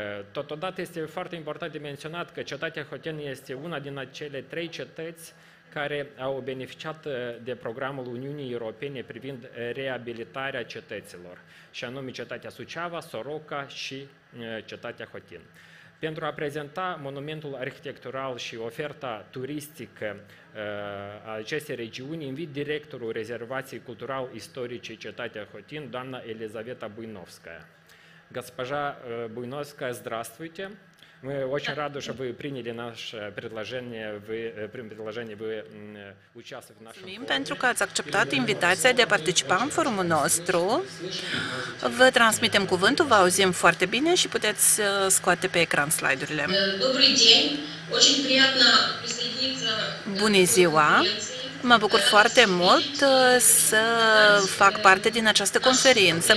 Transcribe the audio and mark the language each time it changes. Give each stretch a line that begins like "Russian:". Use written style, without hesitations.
Romanian: Totodată este foarte important de menționat că cetatea Hotin este una din acele 3 cetăți care au beneficiat de programul Uniunii Europene privind reabilitarea cetăților, și anume cetatea Suceava, Soroca și cetatea Hotin. Pentru a prezenta monumentul arhitectural și oferta turistică a acestei regiuni, invit directorul rezervației cultural-istorice cetatea Hotin, doamna Elizaveta Buinovskaya.
Russian: Госпожа Буйновская, здравствуйте. Мы очень рады, что вы приняли наше предложение, вы участвовали в нашем форуме.
Romanian: Pentru că ați acceptat invitația de a participa în forumul nostru. Vă transmitem cuvântul, vă auzim foarte bine și puteți scoate pe ecran slide-urile. Bună ziua! Mă bucur foarte mult să fac parte din această conferință.